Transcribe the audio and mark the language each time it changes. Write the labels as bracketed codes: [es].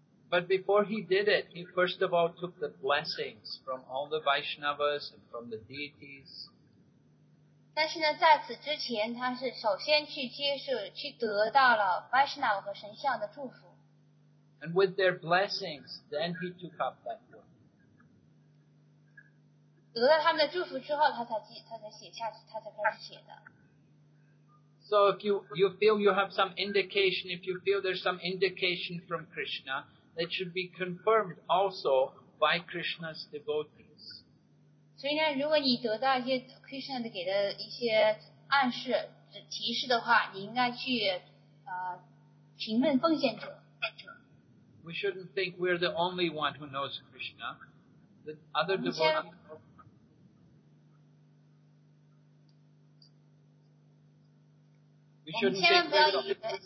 [en] But before he did it, he first of all took the blessings from all the Vaishnavas and from the deities. [zh] 但是呢，在此之前，他是首先去接受、去得到了 Vaishnava 和神像的祝福。 [en] And with their blessings, then he took up that work. [zh] 得到他们的祝福之后，他才写下去，他才开始写的。 [en] So if you feel you have some indication, if you feel there's some indication from Krishna,It should be confirmed also by Krishna's devotees. [zh] 所以呢，如果你得到一些 Krishna 的给的一些暗示、提示的话，你应该去询问奉献者。 [en] We shouldn't think we're the only one who knows Krishna. The other devotees. [zh] 我们千万不要以为。